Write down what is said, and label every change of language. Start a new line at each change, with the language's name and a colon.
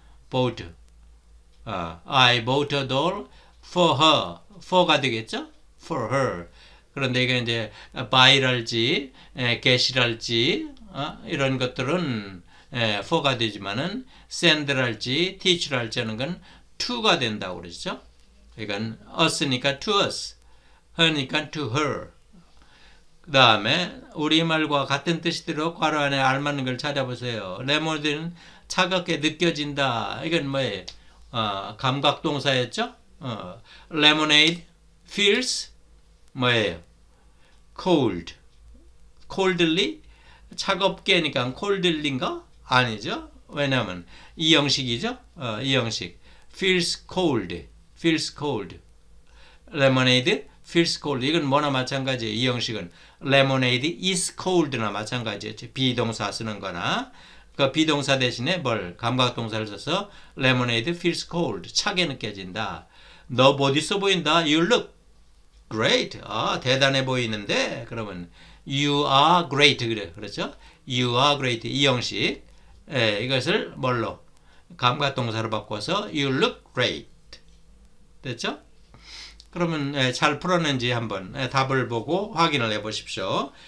English: Boat. I bought a doll for her.
Korean: For가 되겠죠?
English: For her.
Korean: 그런데 이게 이제 buy랄지, get랄지 이런 것들은 for가 되지만은 send랄지, teach랄지 하는 건 to가 된다고 그러죠. 이건 us니까 to us, her니까 to her. 그 다음에 우리말과 같은 뜻이 들어 괄호 안에 알맞는 걸 찾아보세요. 레몬드는 차갑게 느껴진다. 이건 뭐예요? 감각동사였죠?
English: Lemonade feels
Korean: 뭐예요?
English: Cold. Coldly?
Korean: 차갑게니까 coldly인가? 아니죠. 왜냐면 이 형식이죠. 이 형식.
English: Feels cold. Feels cold. Lemonade feels cold.
Korean: 이건 뭐나 마찬가지예요. 이 형식은.
English: Lemonade is cold나
Korean: 마찬가지였죠. 비동사 쓰는 거나. 그 비동사 대신에 뭘? 감각동사를 써서
English: Lemonade feels cold.
Korean: 차게 느껴진다. 너 멋있어 보인다.
English: You look great.
Korean: 아, 대단해 보이는데. 그러면
English: You are great.
Korean: 그래. 그렇죠?
English: You are great.
Korean: 이 형식. 예, 이것을 뭘로? 감각동사로 바꿔서
English: You look great.
Korean: 됐죠? 그러면 잘 풀었는지 한번 답을 보고 확인을 해 보십시오.